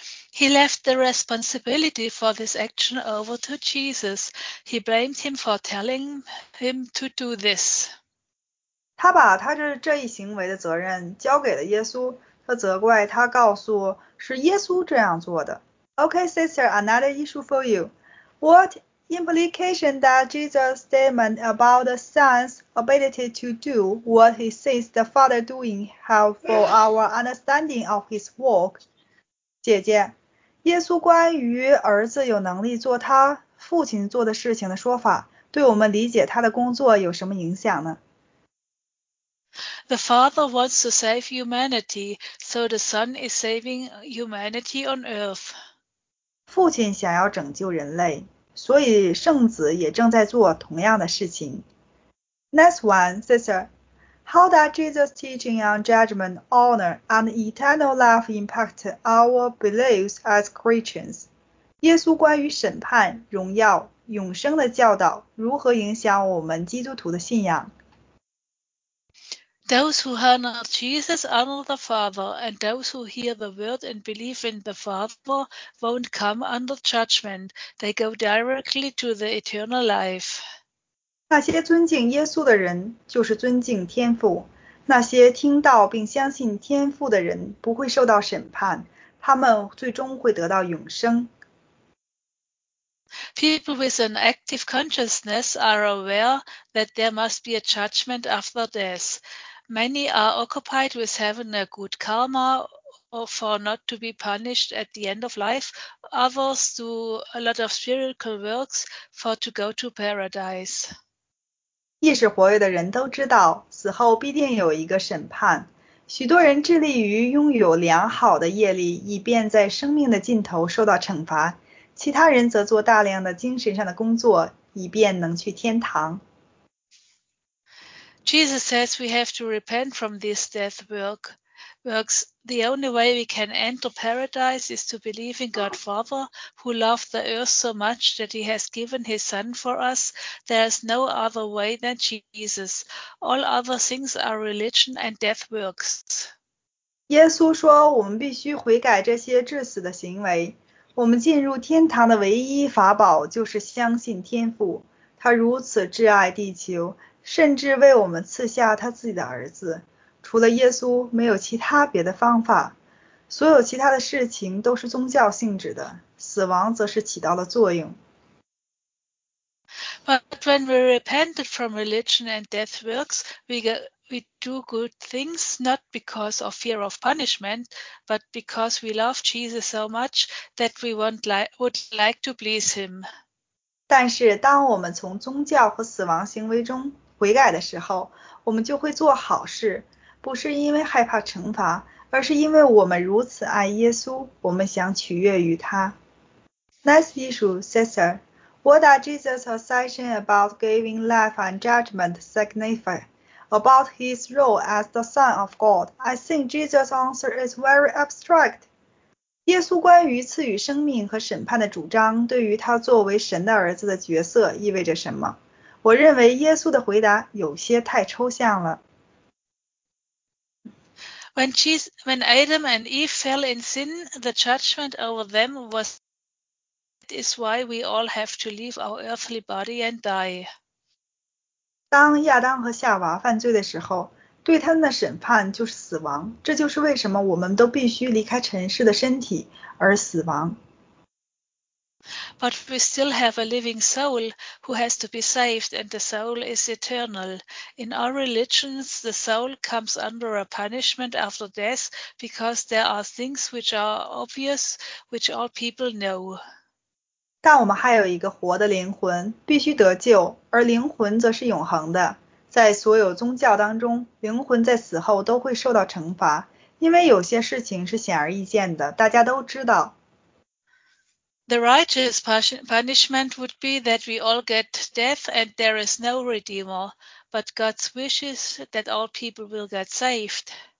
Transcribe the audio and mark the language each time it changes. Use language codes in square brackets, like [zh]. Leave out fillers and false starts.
[en] He left the responsibility for this action over to Jesus. He blamed him for telling him to do this. [zh] 他把他这一行为的责任交给了耶稣，他责怪他告诉是耶稣这样做的。 [en] Okay, sister, another issue for you. What implication that Jesus' statement about the Son's ability to do what he sees the Father doing have for our understanding of his work? [zh] 姐姐，耶稣关于儿子有能力做他父亲做的事情的说法，对我们理解他的工作有什么影响呢？ [en] The Father wants to save humanity, so the Son is saving humanity on earth. [zh] 父亲想要拯救人类。所以圣子也正在做同样的事情。 [en] Next one, sister. How does Jesus' teaching on judgment, honor, and eternal life impact our beliefs as Christians? [zh] 耶稣关于审判、荣耀、永生的教导如何影响我们基督徒的信仰？ [en] Those who honor Jesus honor the Father, and those who hear the word and believe in the Father won't come under judgment. They go directly to the eternal life. [zh] 那些尊敬耶稣的人就是尊敬天父。那些听到并相信天父的人不会受到审判，他们最终会得到永生。 [en] People with an active consciousness are aware that there must be a judgment after death. Many are occupied with having a good karma or for not to be punished at the end of life. Others do a lot of spiritual works for to go to paradise. [zh] 意识活跃的人都知道，死后必定有一个审判。许多人致力于拥有良好的业力，以便在生命的尽头受到惩罚；其他人则做大量的精神上的工作，以便能去天堂。 [en] Jesus says we have to repent from this death works. The only way we can enter paradise is to believe in God Father, who loved the earth so much that he has given his son for us. There is no other way than Jesus. All other things are religion and death works. [zh] 耶稣说，我们必须悔改这些致死的行为。我们进入天堂的唯一法宝就是相信天父，他如此挚爱地球，甚至为我们赐下他自己的儿子。除了耶稣，没有其他别的方法。所有其他的事情都是宗教性质的，死亡则是起到了作用。 [en] But when we repented from religion and death works, we do good things not because of fear of punishment, but because we love Jesus so much that we would like to please him. [zh] 但是当我们从宗教和死亡行为中悔改的时候，我们就会做好事，不是因为害怕惩罚，而是因为我们如此爱耶稣，我们想取悦于他。 [en] Next issue, sister. What are Jesus' assertion about giving life and judgment signify? About his role as the Son of God, I think Jesus' answer is very abstract. [zh] 耶稣关于赐予生命和审判的主张，对于他作为神的儿子的角色意味着什么？我认为耶稣的回答有些太抽象了。 [en] When Adam and Eve fell in sin, the judgment over them was. That is why we all have to leave our earthly body and die. [zh] 当亚当和夏娃犯罪的时候，对他们的审判就是死亡。这就是为什么我们都必须离开尘世的身体而死亡。 [en] But we still have a living soul who has to be saved, and the soul is eternal. In our religions, the soul comes under a punishment after death because there are things which are obvious, which all people know. [zh] 但我们还有一个活的灵魂，必须得救，而灵魂则是永恒的。在所有宗教当中，灵魂在死后都会受到惩罚，因为有些事情是显而易见的，大家都知道。 [en] The righteous punishment would be that we all get death and there is no redeemer, but God's wish is that all people will get saved.